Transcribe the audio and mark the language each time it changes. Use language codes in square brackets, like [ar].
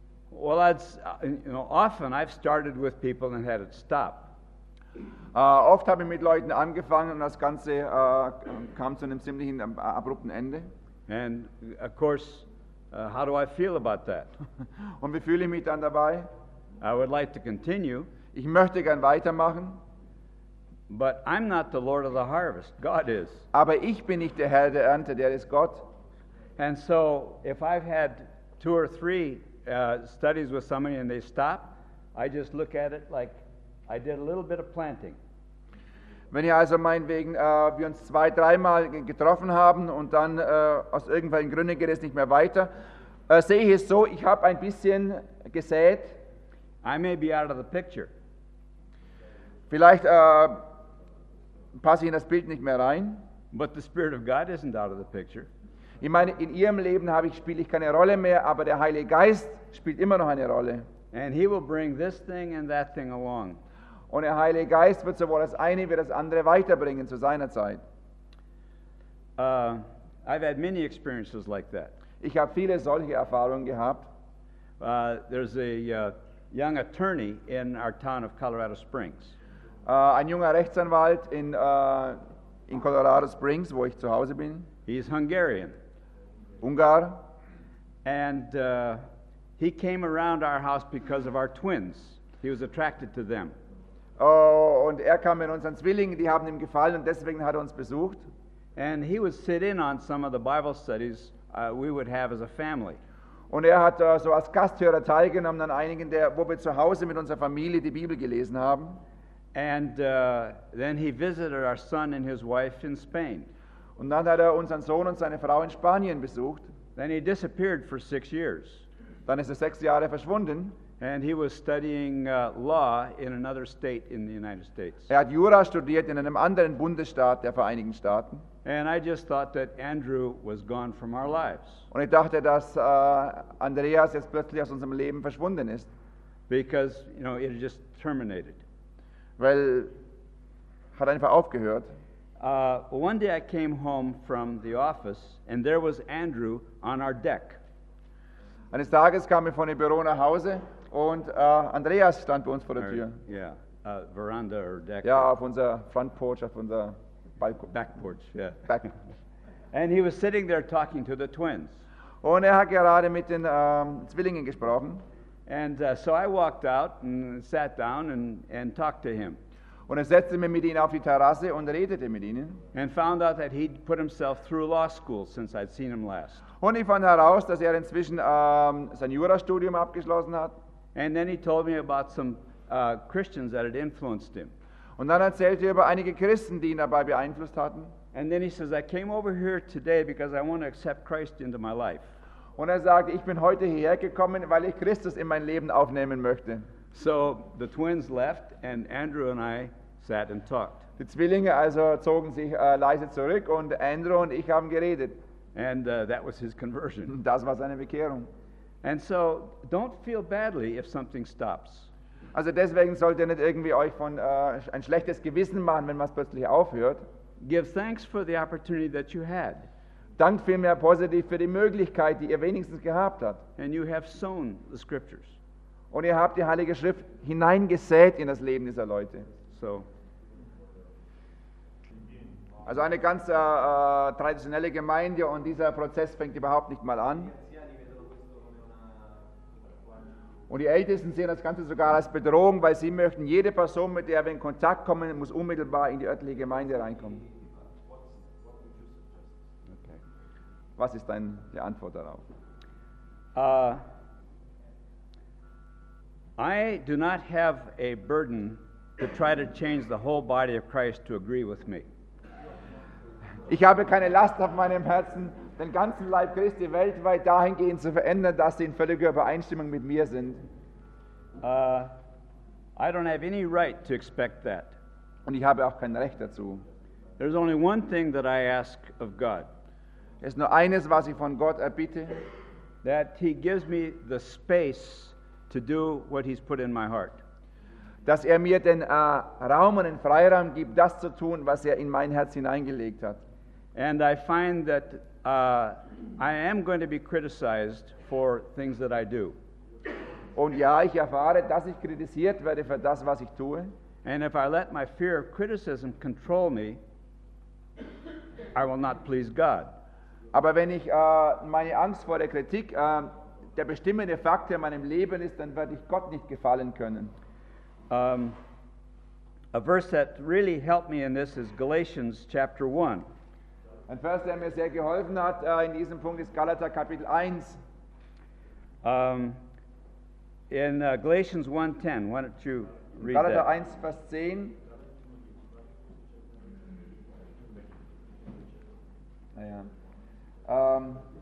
[en] Well, often I've started with people and had it stop. [de] Oft habe ich mit Leuten angefangen und das Ganze kam zu einem ziemlich abrupten Ende. [en] And of course, how do I feel about that? [de] Und wie fühle ich mich dann dabei? [en] I would like to continue. [de] Ich möchte gern weitermachen. [en] But I'm not the Lord of the harvest. God is. [de] Aber ich bin nicht der Herr der Ernte, der ist Gott. [en] And so if I've had 2 or 3 studies with somebody and they stop, I just look at it like I did a little bit of planting. [de] Wenn ich also meinetwegen wir uns zwei, dreimal getroffen haben und dann aus irgendwelchen Gründen geht es nicht mehr weiter, sehe ich es so, ich habe ein bisschen gesät. [en] I may be out of the picture. [de] Vielleicht passe ich in das Bild nicht mehr rein. [en] But the Spirit of God isn't out of the picture. [de] Ich meine, in ihrem Leben spiele ich keine Rolle mehr, aber der Heilige Geist spielt immer noch eine Rolle. [en] And he will bring this thing and that thing along. [de] Und der Heilige Geist wird sowohl das eine wie das andere weiterbringen zu seiner Zeit. [en] I've had many experiences like that. [de] Ich habe viele solche Erfahrungen gehabt. [en] There's a young attorney in our town of Colorado Springs. [de] Ein junger Rechtsanwalt in Colorado Springs, wo ich zu Hause bin. [en] He's Hungarian. [de] Ungar. [en] And he came around our house because of our twins. He was attracted to them. [de] Oh, und kam mit unseren Zwillingen, die haben ihm gefallen und deswegen hat uns besucht. [en] And he would sit in on some of the Bible studies we would have as a family. [de] Und hat so als Gasthörer teilgenommen an einigen der, wo wir zu Hause mit unserer Familie die Bibel gelesen haben. [en] And then he visited our son and his wife in Spain. [de] Und dann hat unseren Sohn und seine Frau in Spanien besucht. [en] Then he disappeared for 6 years. [de] Dann ist 6 Jahre verschwunden. [en] And he was studying law in another state in the United States. [de] Er hat Jura studiert in einem anderen Bundesstaat der Vereinigten Staaten. [en] And I just thought that Andrew was gone from our lives. [de] Und ich dachte, dass Andreas jetzt plötzlich aus unserem Leben verschwunden ist. [en] Because, you know, it just terminated. [de] Weil hat einfach aufgehört. [en] One day I came home from the office and there was Andrew on our deck. [de] Eines Tages kam ich von dem Büro nach Hause und Andreas stand bei uns vor der Tür. [en] Veranda or deck. [de] Ja, auf unserer [en] front porch, [de] auf unserer [en] back porch. Yeah. Back. And he was sitting there talking to the twins. [de] Und hat gerade mit den Zwillingen gesprochen. [en] And so I walked out and sat down and talked to him. [de] Und setzte mich mit ihnen auf die Terrasse und redete mit ihnen. [en] And found out that he'd put himself through law school since I'd seen him last. [de] Und ich fand heraus, dass inzwischen sein Jurastudium abgeschlossen hat. [en] And then he told me about some Christians that had influenced him. [de] Und dann erzählte er über einige Christen, die ihn dabei beeinflusst hatten. [en] And then he says, I came over here today because I want to accept Christ into my life. [de] Und sagte, ich bin heute hierher gekommen, weil ich Christus in mein Leben aufnehmen möchte. [en] So the twins left and Andrew and I sat and talked. [de] Die Zwillinge also zogen sich leise zurück und Andrew und ich haben geredet. [en] And that was his conversion. [de] Das war seine Bekehrung. [en] And so don't feel badly if something stops. [de] Also deswegen solltet ihr nicht irgendwie euch von ein schlechtes Gewissen machen, wenn was plötzlich aufhört. [en] Give thanks for the opportunity that you had. [de] Dankt vielmehr positiv für die Möglichkeit, die ihr wenigstens gehabt habt. [en] And you have sown the scriptures. [de] Und ihr habt die Heilige Schrift hineingesät in das Leben dieser Leute. [en] So. [de] Also eine ganz traditionelle Gemeinde und dieser Prozess fängt überhaupt nicht mal an. Und die Ältesten sehen das Ganze sogar als Bedrohung, weil sie möchten, jede Person, mit der wir in Kontakt kommen, muss unmittelbar in die örtliche Gemeinde reinkommen. Okay. Was ist deine Antwort darauf? [en] I do not have a burden to try to change the whole body of Christ to agree with me. [de] Ich habe keine Last auf meinem Herzen, den ganzen Leib Christi weltweit dahingehend zu verändern, dass sie in völliger Übereinstimmung mit mir sind. [en] I don't have any right to expect that. [de] Und ich habe auch kein Recht dazu. [en] There's only one thing that I ask of God. [de] Es ist nur eines, was ich von Gott erbitte, [en] that he gives me the space to do what he's put in my heart. [de] Dass mir den Raum und den Freiraum gibt, das zu tun, was in mein Herz hineingelegt hat. [en] And I find that I am going to be criticized for things that I do. [de] Und ja, ich erfahre, dass ich kritisiert werde für das, was ich tue. [en] And if I let my fear of criticism control me, I will not please God. [de] Aber wenn ich meine Angst vor der Kritik der bestimmende Faktor in meinem Leben ist, dann werde ich Gott nicht gefallen können. [en] A verse that really helped me in this is Galatians chapter 1. [de] Ein Vers, der mir sehr geholfen hat in diesem Punkt, ist Galater Kapitel 1. [en] In Galatians 1:10, why don't you read [de] Galater [en] that? [de] Galater 1, Vers 10.